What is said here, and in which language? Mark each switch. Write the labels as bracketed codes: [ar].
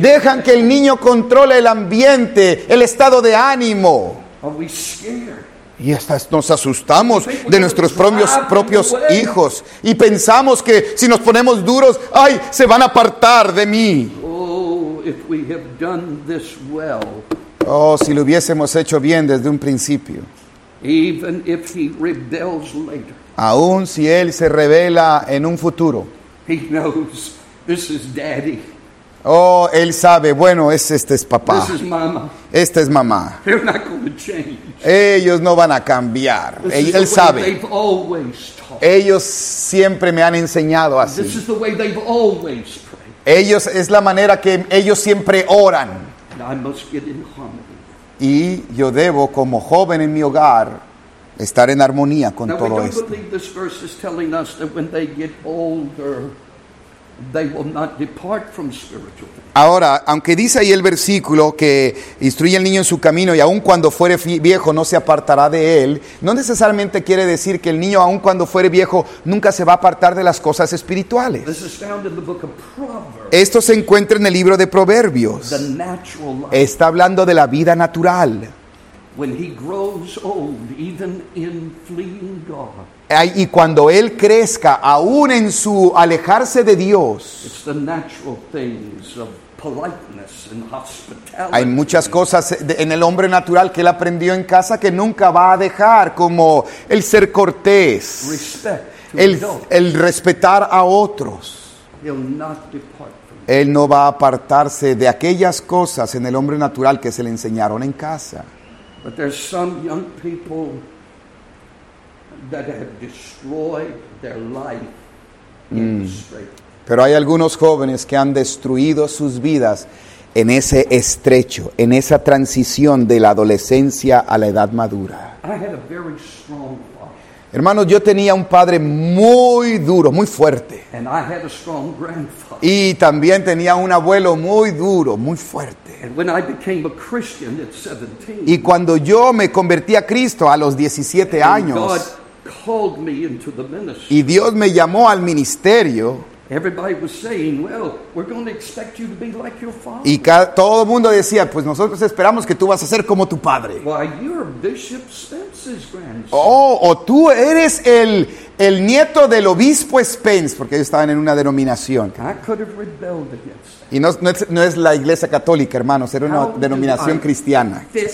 [es] Dejan que el niño controle el ambiente, el estado de ánimo. [en] Are we scared? [es] Y hasta nos asustamos de nuestros propios hijos. Y pensamos que si nos ponemos duros, ¡ay, se van a apartar de mí! [en] Oh, if we have done this well. [es] Oh, si lo hubiésemos hecho bien desde un principio. [en] Even if he rebels later. [es] Aún si él se rebela en un futuro. [en] He knows this is daddy. [es] Oh, él sabe, bueno, este es papá. [en] This is mama. [es] Esta es mamá. [en] They're not gonna change. [es] Ellos no van a cambiar. Él sabe. [en] They've always taught. [es] Ellos siempre me han enseñado así. [en] This is the way they've always prayed. [es] Ellos, es la manera que ellos siempre oran. [en] I must get in harmony. [es] Y yo debo, como joven en mi hogar, estar en armonía con todo esto. [en] Now, we don't believe this verse is telling us that when they get older, they will not depart from spiritual things. [es] Ahora, aunque dice ahí el versículo que instruye al niño en su camino y aun cuando fuere viejo no se apartará de él, no necesariamente quiere decir que el niño aun cuando fuere viejo nunca se va a apartar de las cosas espirituales. [en] This is found in the book of Proverbs. [es] Esto se encuentra en el libro de Proverbios. [en] The natural life. [es] Está hablando de la vida natural. [en] When he grows old, even in fleeing God. [es] Y cuando él crezca, aún en su alejarse de Dios, [en] it's the natural things of politeness and hospitality. [es] Hay muchas cosas en el hombre natural que él aprendió en casa que nunca va a dejar, como el ser cortés, [en] respect to [es] el respetar a otros. [en] He'll not depart from them. [es] Él no va a apartarse de aquellas cosas en el hombre natural que se le enseñaron en casa. [en] But there's some young people that have destroyed their life in strait. [es] Pero hay algunos jóvenes que han destruido sus vidas en ese estrecho, en esa transición de la adolescencia a la edad madura. [en] I had a very strong father. [es] Hermanos, yo tenía un padre muy duro, muy fuerte. [en] And I had a strong grandfather. [es] Y también tenía un abuelo muy duro, muy fuerte. [en] And when I became a Christian at 17, [es] y cuando yo me convertí a Cristo a los 17 años, [en] God called me into the ministry, [es] y Dios me llamó al ministerio, [en] everybody was saying, well, we're going to expect you to be like your father. [es] Y todo el mundo decía, pues nosotros esperamos que tú vas a ser como tu padre. [en] Why, you're Bishop Spence's grandson. [es] O tú eres el nieto del obispo Spence, porque ellos estaban en una denominación. [en] I could have rebelled against that. [es] Y no es la iglesia católica, hermanos, era una denominación cristiana.